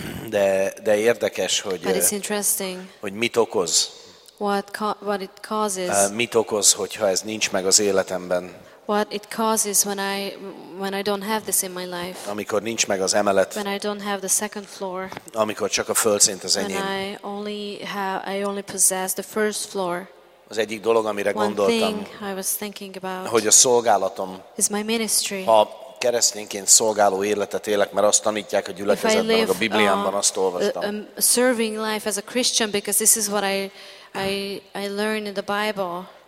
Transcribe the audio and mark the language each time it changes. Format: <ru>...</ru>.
<hu>De érdekes, hogy mit okoz.</hu> <en>What it causes.</en> <hu>Mit okoz, hogyha ez nincs meg az életemben?</hu> <en>What it causes when I don't have this in my life?</en> <hu>Amikor nincs meg az emelet.</hu> <en>When I don't have the second floor.</en> <hu>Amikor csak a földszint az enyém.</hu> <en>I only possess the first floor.</en> <hu>Az egyik dolog, amire gondoltam.</hu> <en>One thing I was thinking about.</en> <hu>Hogy a szolgálatom.</hu> <en>Is my ministry.</en> <hu>Ha keresztényként szolgáló életet élek, mert azt tanítják a gyülekezetben, a Bibliámban azt olvastam.</hu> <en>A serving life as a Christian because this is what I learned in the Bible.</en>